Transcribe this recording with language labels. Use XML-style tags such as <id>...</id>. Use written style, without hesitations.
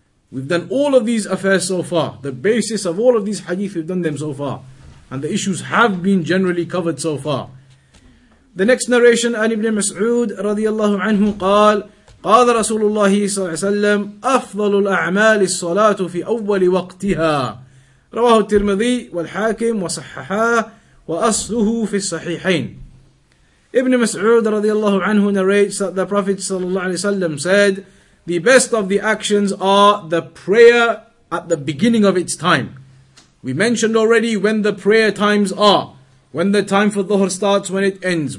<en>We've done all of these affairs so far. The basis of all of these hadith, we've done them so far. And the issues have been generally covered so far. The next narration,</en> <ar>Ali ibn Mas'ud radiallahu anhu, قال رسول الله صلى الله عليه وسلم أفضل الأعمال الصلاة في أول وقتها رواه الترمذي والحاكم وصححاه وأصله في الصحيحين.</ar> <en>Ibn Mas'ud radiallahu anhu narrates that the Prophet</en> <ar>صلى الله عليه وسلم</ar> <en>said, the best of the actions are the prayer at the beginning of its time. We mentioned already when the prayer times are. When the time for Dhuhr starts, when it ends.</en>